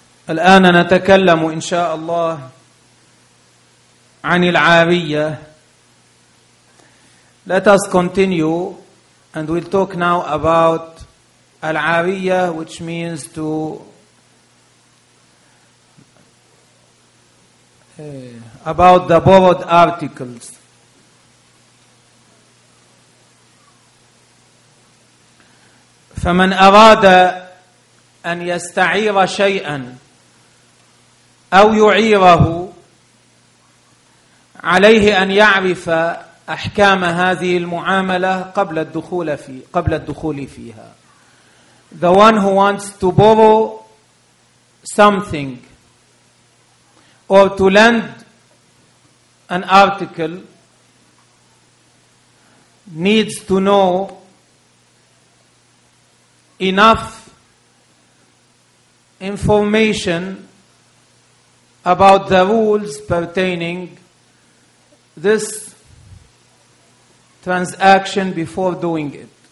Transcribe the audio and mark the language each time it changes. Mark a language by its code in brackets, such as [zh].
[ar] الآن نتكلم إن شاء الله عن العارية. [en] Let us continue and we'll talk now about العارية, which means to about the borrowed articles. [ar] فمن أراد أن يستعير شيئا أو يعيره عليه أن يعرف أحكام هذه المعاملة قبل الدخول فيها. [en] The one who wants to borrow something or to lend an article needs to know enough information about the rules pertaining this transaction before doing it.